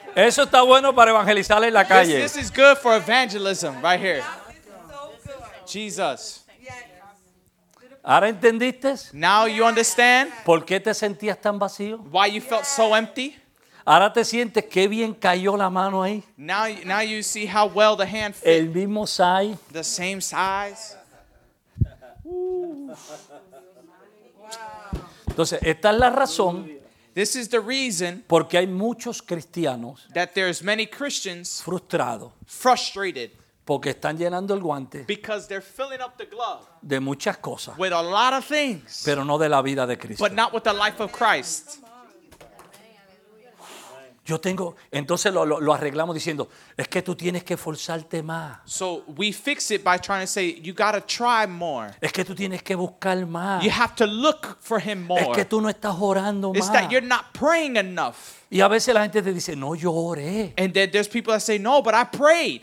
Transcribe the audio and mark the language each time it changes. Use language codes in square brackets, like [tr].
[es] Eso está bueno para evangelizar en la calle. [en] This is good for evangelism right here. Jesus. [es] ¿Ahora entendiste? [en] Now you understand? [es] ¿Por qué te sentías tan vacío? [en] Why you felt so empty? [es] Ahora te sientes qué bien cayó la mano ahí. [en] Now you see how well the hand fit. [es] El mismo size. [en] The same size. [es] Entonces, esta es la razón. [en] This is the reason [es] porque hay muchos cristianos [en] that there's many Christians [es] frustrados, [en] frustrated, [es] porque están llenando el guante [en] because they're filling up the glove [es] de muchas cosas, [en] with a lot of things, [es] pero no de la vida de Cristo. [en] But not with the life of Christ. [es] Yo tengo, entonces lo arreglamos diciendo, es que tú tienes que forzarte más. [en] So we fix it by trying to say, you gotta try more. [es] Es que tú tienes que buscar más. [en] You have to look for him more. [es] Es que tú no estás orando más. [en] It's that you're not praying enough. [es] Y a veces la gente te dice, no, yo oré. [en] And then there's people that say, no, but I prayed.